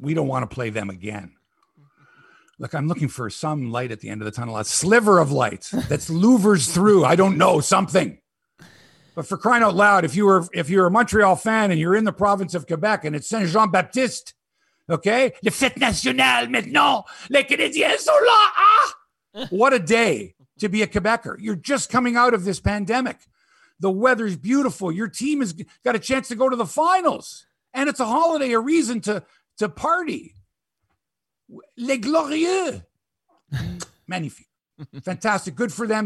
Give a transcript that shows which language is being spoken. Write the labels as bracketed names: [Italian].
[English] We don't want to play them again. Look, I'm looking for some light at the end of the tunnel, a sliver of light that's louvers through, I don't know, something. But for crying out loud, if you're a Montreal fan and you're in the province of Quebec and it's Saint-Jean-Baptiste, okay? [French] Le Fête Nationale maintenant, les Canadiens sont là, ah! [English] What a day to be a Quebecer. You're just coming out of this pandemic. The weather's beautiful. Your team has got a chance to go to the finals. And it's a holiday, a reason to party. [French] Les Glorieux. Magnifique. [English] Fantastic. Good for them.